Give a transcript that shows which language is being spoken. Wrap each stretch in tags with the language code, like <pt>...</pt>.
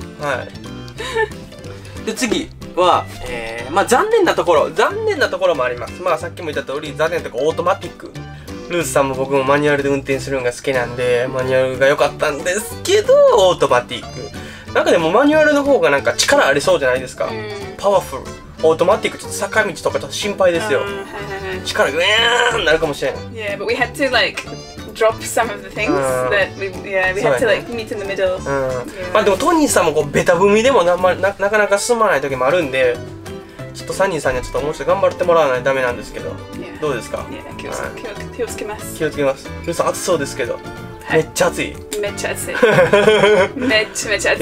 <ja>はい、で次は、まあ残念なところ、残念なところもあります。まあさっきも言った通り、残念なところ、オートマティック、ルースさんも僕もマニュアルで運転するのが好きなんで、マニュアルが良かったんですけど、オートマティック。なんかでもマニュアルの方がなんか力ありそうじゃないですか。パワフル。オートマティック、ちょっと坂道とかちょっと心配ですよ。はいはいはい、力グエーンになるかもしれん。</ja> <en>Yeah, but we had to like drop some of the things that we had to like meet in the middle.、</en> <ja>まあでもトニーさんもこうベタ踏みでも なかなか進まない時もあるんで、ちょっとサニーさんにはちょっと面白い、頑張ってもらわないとダメなんですけど、</ja> <en>yeah.</en> <ja>どうですか。気をつけます、気をつけます。ルースさん暑そうですけど、はい、めっちゃ暑い、めっちゃ暑いめっちゃめっちゃ暑い、</ja>